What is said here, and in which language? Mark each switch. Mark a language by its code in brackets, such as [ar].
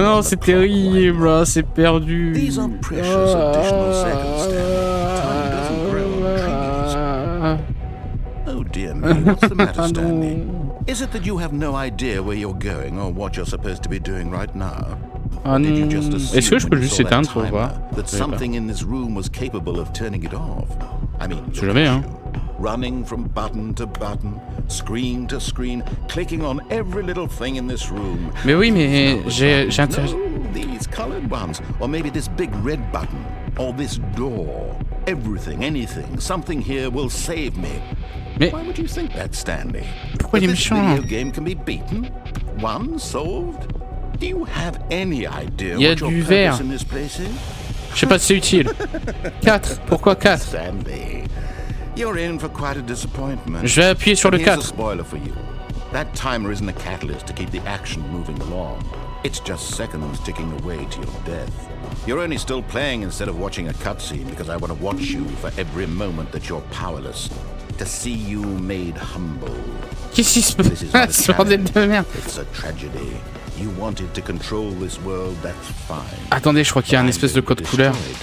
[fr] oh non, c'est terrible, c'est perdu. [en] These are precious additional seconds, Stanley. Time doesn't grow on trees. Oh dear me, what's the matter, Stanley? Is it that you have no idea where you're going or what you're supposed to be doing right now? [fr] Est-ce que je peux juste éteindre pour voir? [en] That something in this room was capable of turning it off. I mean, [fr] je jamais, hein. [en] Running from button to button, screen to screen, clicking on every little thing in this room. [fr] Mais oui, mais j'ai [en] no, these colored ones, or maybe this big red button, or this door. everything, anything, something here will save me. [fr] Mais... [en] Why would you think that, Stanley? [fr] Pourquoi [en] this video game can be beaten? Won? Solved? Do you have any idea [fr] y'a [en] what your purpose in this place is? [fr] Je sais pas si c'est utile. 4, pourquoi 4? [en] Stanley, you're in for quite a disappointment. [fr] Je vais appuyer sur le 4. [en] Here's a spoiler for you. That timer isn't a catalyst to keep the action moving along. It's just seconds ticking away to your death. You're only still playing instead of watching a cutscene because I want to watch you for every moment that you're powerless. To see you made humble. [fr] Qu'est-ce qui se passe? [en] This is [fr] bordel de merde. [en] It's a tragedy. You wanted to control this world, that's fine. [fr] Attendez, je crois qu'il y a un espèce de code couleur.